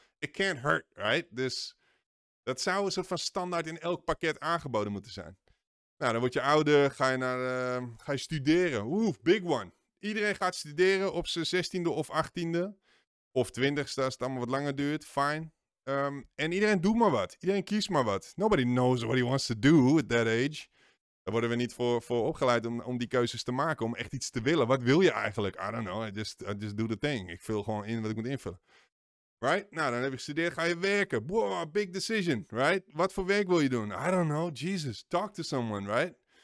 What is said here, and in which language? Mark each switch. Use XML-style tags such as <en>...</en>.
<en>It can't hurt, right?</en> <nl>Dus dat zou een soort van standaard in elk pakket aangeboden moeten zijn. Nou, dan word je ouder, ga je studeren. Oeh, big one. Iedereen gaat studeren op zijn 16e of 18e. Of 20e, als het allemaal wat langer duurt. Fine. En iedereen doet maar wat. Iedereen kiest maar wat.</nl> <en>Nobody knows what he wants to do at that age.</en> <nl>Daar worden we niet voor opgeleid om die keuzes te maken. Om echt iets te willen. Wat wil je eigenlijk?</nl> <en>I don't know. I just do the thing.</en> <nl>Ik vul gewoon in wat ik moet invullen. Right? Nou, dan heb je gestudeerd. Ga je werken.</nl> <en>Wow, big decision.</en> <nl>Right? Wat voor werk wil je doen?</nl> <en>I don't know. Jesus. Talk to someone.</en> <nl>Right?</nl>